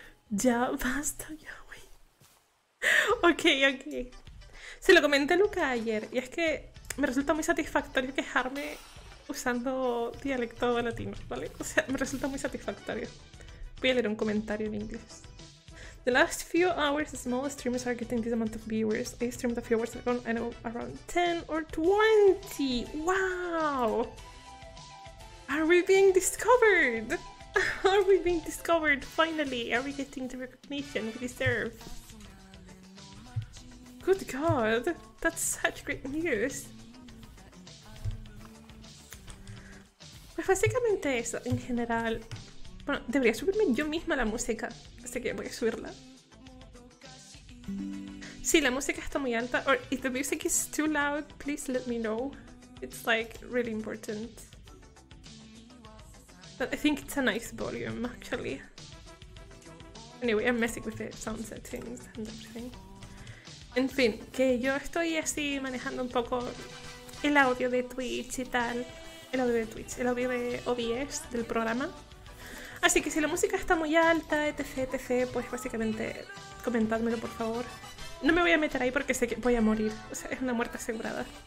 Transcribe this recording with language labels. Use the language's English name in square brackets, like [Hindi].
[Spanish] Ya basta, Yahweh. Ok. Se lo comenté a Luca ayer, y es que me resulta muy satisfactorio quejarme usando dialecto latino, ¿vale? O sea, me resulta muy satisfactorio. Voy a leer un comentario en inglés. [English] The last few hours, the small streamers are getting this amount of viewers. I streamed a few hours ago, I know, around 10 or 20. Wow! Are we being discovered? Are we being discovered, finally? Are we getting the recognition we deserve? Good God, that's such great news. [Spanish] Pues básicamente eso, en general. Bueno, debería subirme yo misma la música. Así que voy a subirla. Sí, la música está muy alta. [English] Or if the music is too loud, please let me know. It's like really important. But I think it's a nice volume, actually. Anyway, I'm messing with the sound settings and everything. [Spanish] En fin, que yo estoy así manejando un poco el audio de Twitch y tal. El audio de Twitch, el audio de OBS del programa. Así que si la música está muy alta, etc, etc, pues básicamente comentádmelo, por favor. No me voy a meter ahí porque sé que voy a morir. O sea, es una muerte asegurada.